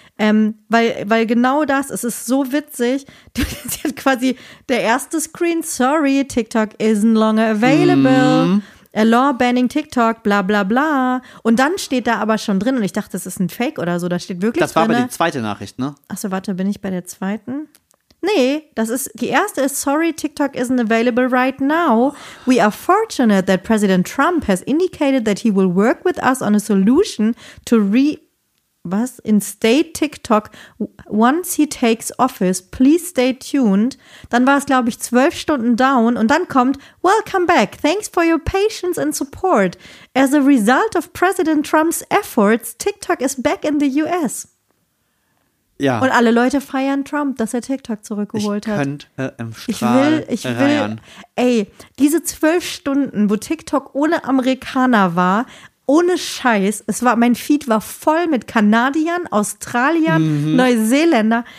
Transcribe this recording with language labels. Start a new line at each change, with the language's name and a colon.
German: Weil genau das, es ist so witzig, sie hat quasi der erste Screen,
English: sorry, TikTok isn't longer available, law banning TikTok,
German: bla bla bla. Und dann steht da aber schon drin und ich dachte, das ist ein Fake oder so, da steht wirklich drin. Das war aber die zweite Nachricht, ne? Achso, warte, bin ich bei der zweiten? Nee, das ist, die erste ist,
English: sorry, TikTok isn't available right now. We are fortunate that President Trump has indicated that he will work with us on a solution to reinstate TikTok once he takes office. Please stay tuned.
German: Dann war es, glaube ich, 12 Stunden down. Und dann kommt,
English: welcome back. Thanks for your patience and support. As a result of President Trump's efforts, TikTok is back in the US.
German: Ja. Und alle Leute feiern Trump, dass er TikTok zurückgeholt hat. Ich könnte im Strahl reiern. Ey, diese 12 Stunden, wo TikTok ohne Amerikaner war, ohne Scheiß, mein Feed war voll mit Kanadiern, Australiern, Neuseeländern.